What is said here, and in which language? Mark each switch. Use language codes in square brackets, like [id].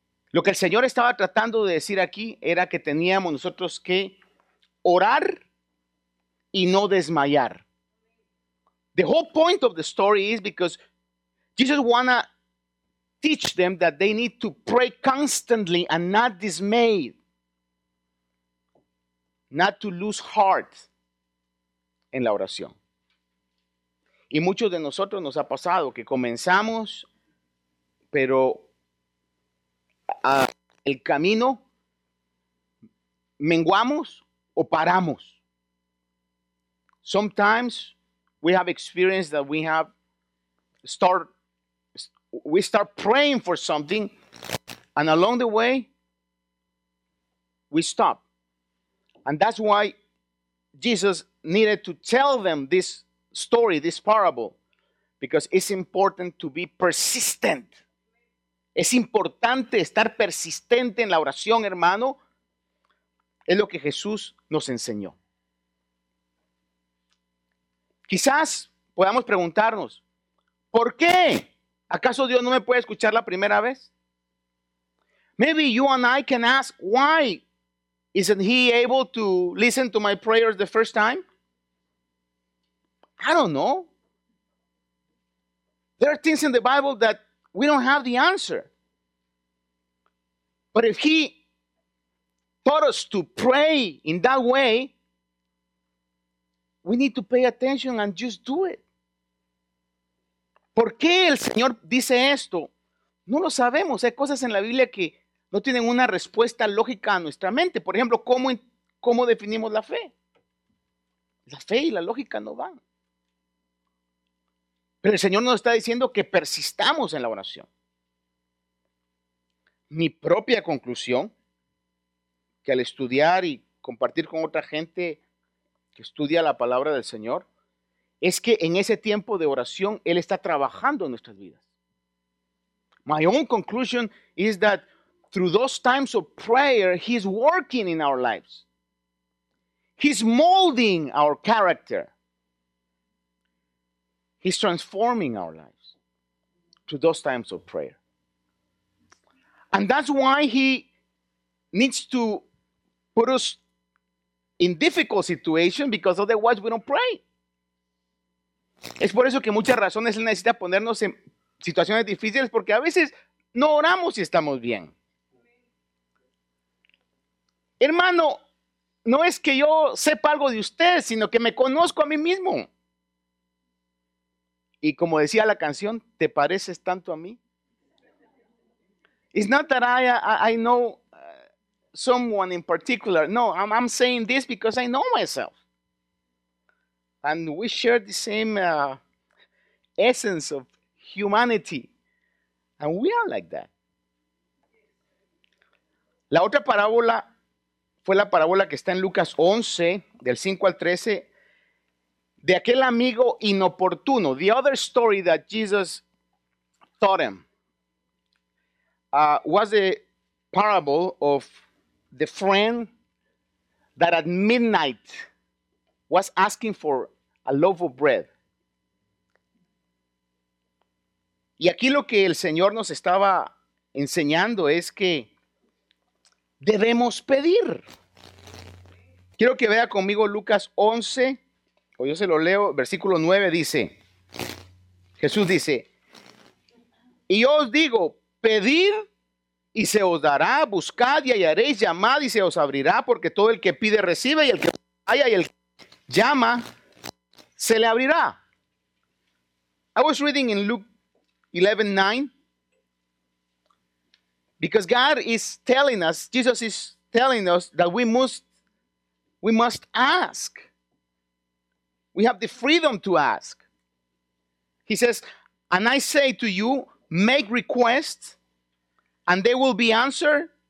[es] Lo que el Señor estaba tratando de decir aquí era que teníamos nosotros que orar y no desmayar. [en] The whole point of the story is because Jesus wanna teach them that they need to pray constantly and not dismay, not to lose heart [es] en la oración. Y muchos de nosotros nos ha pasado que comenzamos, pero el camino menguamos o paramos. [en] Sometimes we have experienced that we start praying for something, and along the way we stop. And that's why Jesus needed to tell them this story, this parable, because it's important to be persistent. [es] Es importante estar persistente en la oración, hermano. Es lo que Jesús nos enseñó. Quizás podamos preguntarnos, ¿por qué? ¿Acaso Dios no me puede escuchar la primera vez? [en] Maybe you and I can ask, why isn't he able to listen to my prayers the first time? I don't know. There are things in the Bible that we don't have the answer. But if he taught us to pray in that way, we need to pay attention and just do it. [es] ¿Por qué el Señor dice esto? No lo sabemos. Hay cosas en la Biblia que no tienen una respuesta lógica a nuestra mente. Por ejemplo, ¿cómo definimos la fe? La fe y la lógica no van. Pero el Señor nos está diciendo que persistamos en la oración. Mi propia conclusión, que al estudiar y compartir con otra gente que estudia la palabra del Señor, es que en ese tiempo de oración, Él está trabajando en nuestras vidas. [en] My own conclusion is that through those times of prayer, He's working in our lives. He's molding our character. He's transforming our lives through those times of prayer. And that's why He needs to put us in difficult situations, because otherwise we don't pray. [es] Es por eso que muchas razones Él necesita ponernos en situaciones difíciles, porque a veces no oramos si estamos bien. Hermano, no es que yo sepa algo de usted, sino que me conozco a mí mismo. Y como decía la canción, ¿te pareces tanto a mí? [en] It's not that I know someone in particular. No, I'm saying this because I know myself. And we share the same essence of humanity. And we are like that. [es] La otra parábola fue la parábola que está en Lucas 11, del 5 al 13, de aquel amigo inoportuno. [en] The other story that Jesus taught him was the parable of the friend that at midnight was asking for a loaf of bread. [es] Y aquí lo que el Señor nos estaba enseñando es que debemos pedir. Quiero que vea conmigo Lucas 11, o yo se lo leo, versículo 9 dice, Jesús dice, y yo os digo, pedid y se os dará, buscad y hallaréis, llamad y se os abrirá, porque todo el que pide recibe, y el que halla y el que llama, se le abrirá. [en] I was reading in Luke 11:9, because God is telling us, Jesus is telling us that we must ask. We have the freedom to ask. He says, and I say to you, make requests, and they will be answered.